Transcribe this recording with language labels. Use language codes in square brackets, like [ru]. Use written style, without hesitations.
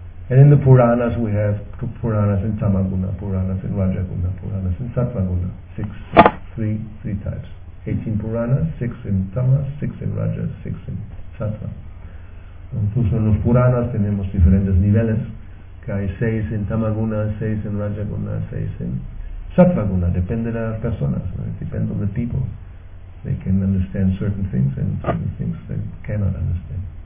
[en] And in the Puranas we have Puranas in Tamaguna, Puranas in Rajaguna, Puranas in Sattvaguna, three types. 18 Puranas, 6 in Tamas, 6 in Rajas, 6 in Sattva. [es] Incluso en los Puranas tenemos diferentes niveles, que hay 6 en Tamaguna, 6 en Rajaguna, 6 en Sattvaguna, depende de las personas, right? [en] Depende on the people. They can understand certain things and certain things they cannot understand.